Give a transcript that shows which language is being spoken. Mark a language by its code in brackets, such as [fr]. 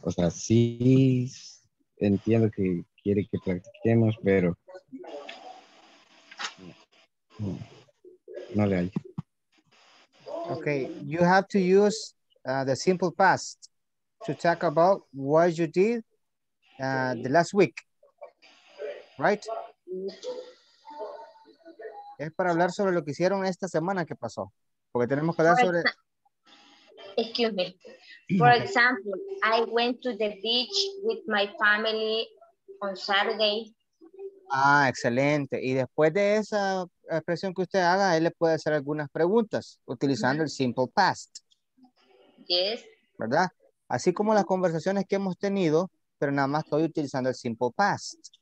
[es] O sea, sí entiendo que quiere que practiquemos, pero no le hay. [en] Okay, you have to use the simple past to talk about what you did the last week. Right? [es] Es para hablar sobre lo que hicieron esta semana que pasó. Porque tenemos que hablar sobre... [en] Excuse me. For example, I went to the beach with my family on Saturday. [es] Ah, excelente. Y después de esa expresión que usted haga, él le puede hacer algunas preguntas utilizando el simple past. [en] Yes. [es] ¿Verdad? Así como las conversaciones que hemos tenido, pero nada más estoy utilizando el simple past.